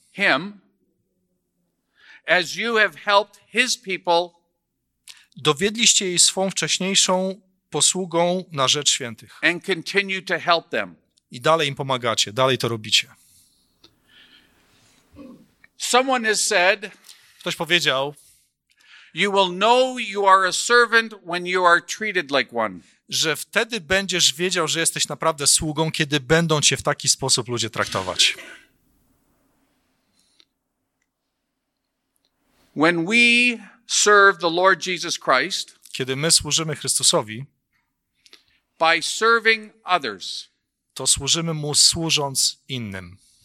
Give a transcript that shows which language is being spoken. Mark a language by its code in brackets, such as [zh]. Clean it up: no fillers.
[en] Him. As you have helped his people. [pl] Dowiedliście jej swą wcześniejszą posługą na rzecz świętych. [en] And continue to help them. [pl] I dalej im pomagacie, dalej to robicie. [en] Someone has said, [pl] ktoś powiedział, [en] you will know you are a servant when you are treated like one. [pl] Że wtedy będziesz wiedział, że jesteś naprawdę sługą, kiedy będą cię w taki sposób ludzie traktować. [en] When we serve the Lord Jesus Christ, [pl] kiedy my służymy Chrystusowi, [en] by serving others, [pl] to służymy mu służąc innym.